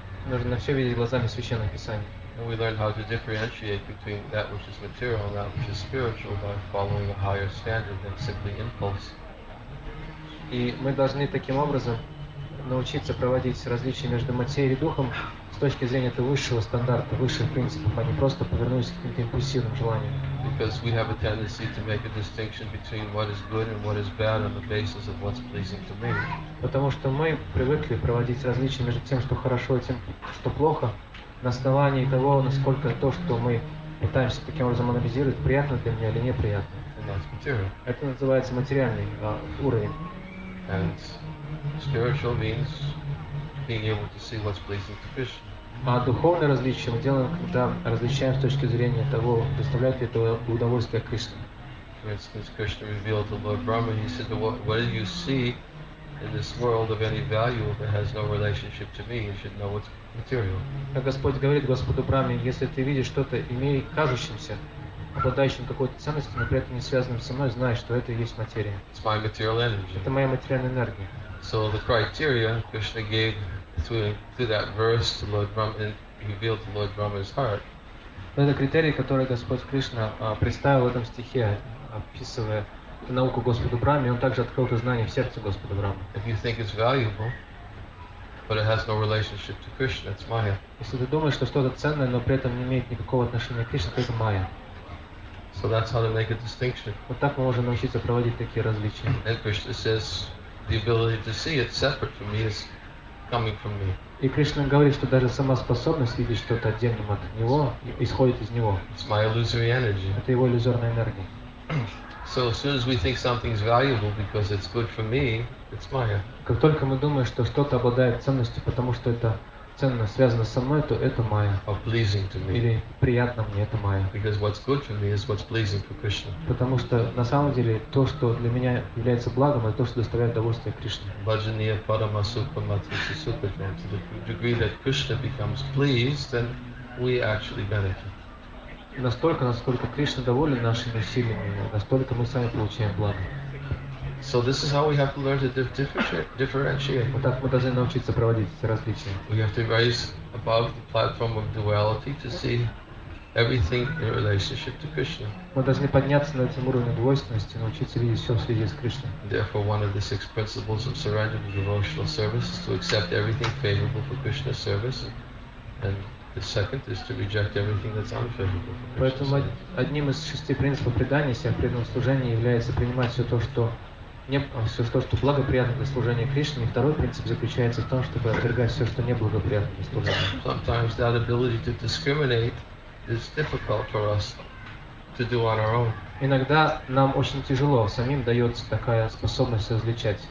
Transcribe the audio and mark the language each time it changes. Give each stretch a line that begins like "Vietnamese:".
Russian: Нужно все видеть глазами Священного Писания.
English: And we learn how to differentiate between that which is material and that which is spiritual by following a higher standard than simply impulse.
Russian: И мы должны таким образом научиться проводить различия между материей и духом с точки зрения этого высшего стандарта, высших принципов, а не просто повернуться к каким-то импульсивным желаниям.
English: Because we have a tendency to make a distinction between what is good and what is bad on the basis of what's pleasing to me.
Russian: Потому что мы привыкли проводить различия между тем, что хорошо, и тем, что плохо, на основании того, насколько то, что мы пытаемся таким образом анализировать, приятно для меня или неприятно. Это называется материальный уровень.
English: And spiritual means being able to see what's pleasing to Krishna.
Russian: А духовное различие мы делаем, когда различаем с точки зрения того, доставляет ли это удовольствие Кришне.
English: For instance, Krishna revealed to Lord Brahma, he said, what do you see in this world of any value that has no relationship to me? You should know what's material.
Russian: Как Господь говорит Господу Браме, если ты видишь что-то, имея кажущимся, обладающим какой-то ценностью, но при этом не связанным со мной, знай, что это и есть материя.
English: It's my material energy.
Russian: Это моя материальная энергия.
English: So the criteria Krishna gave through that verse to Lord Brahma and revealed to Lord Brahma's heart.
Russian: Это критерий, который Господь Кришна представил в этом стихе, описывая науку Господу Брахме, и он также открыл это знание в сердце Господа Брахмы.
English: If you think it's valuable, but it has no relationship to Krishna, it's Maya.
Russian: Если ты думаешь, что что-то ценное, но при этом не имеет никакого отношения к Кришне, то это Майя.
English: So that's how to make a distinction.
Russian: Вот так мы можем научиться проводить такие различия.
English: And Krishna says, the ability to see it separate from me is coming from me.
Russian: И Кришна говорит, что даже сама способность видеть что-то отдельным от него исходит из него.
English: It's my illusory energy.
Russian: Это его иллюзорная энергия.
English: So as soon as we think something's valuable because it's good for me, it's Maya.
Russian: Как только мы думаем, что что-то обладает ценностью, потому что это ценно связано со мной, то это Maya.
English: Or pleasing to me.
Russian: Или приятно мне, это Maya.
English: Because what's good for me is what's pleasing for Krishna.
Russian: Потому что на самом деле то, что для меня является благом, это то, что доставляет удовольствие Кришне.
Sanskrit: Bhajaniya parama supamatrisya supajam.
English: To the degree that Krishna becomes pleased, then we actually benefit.
Russian: Настолько, насколько Кришна доволен нашими усилиями, настолько мы сами получаем благо.
English: So this is how we have to learn to differentiate.
Russian: Вот так мы должны научиться проводить эти различия.
English: We have to rise above the platform of duality to see everything in relationship to Krishna.
Russian: Мы должны подняться на этом уровне двойственности, научиться видеть все в связи с Кришной.
English: Therefore, one of the six principles of surrender to devotional service is to accept everything favorable for Krishna's service and the second is to reject everything that's unfavorable.
Russian: Поэтому одним из шести принципов предания себя преданного служения является принимать все то, что не все то, что благоприятно для служения Кришне. И второй принцип заключается в том, чтобы отвергать все, что неблагоприятно для служения.
English: Sometimes that ability to discriminate is difficult for us to do on our own.
Russian: Иногда нам очень тяжело самим дается такая способность различать.